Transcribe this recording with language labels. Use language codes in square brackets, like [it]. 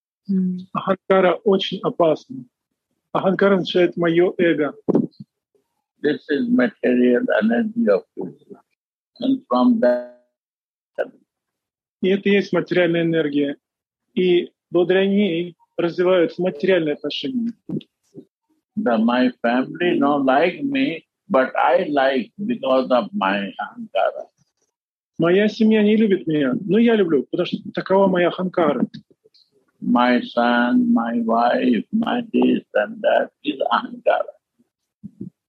[ru] Ahankara очень опасный. Ahankara означает мое эго. [en] This is material energy of Krishna. And from that... [ru] И это есть материальная энергия. И благодаря ней развиваются материальные отношения. [en] The, my family don't like me, but I like because of my ahankara. [ru] Моя семья не любит меня, но я люблю, потому что такова моя ahankara. [en] My son, my wife, my this and that is ahankara.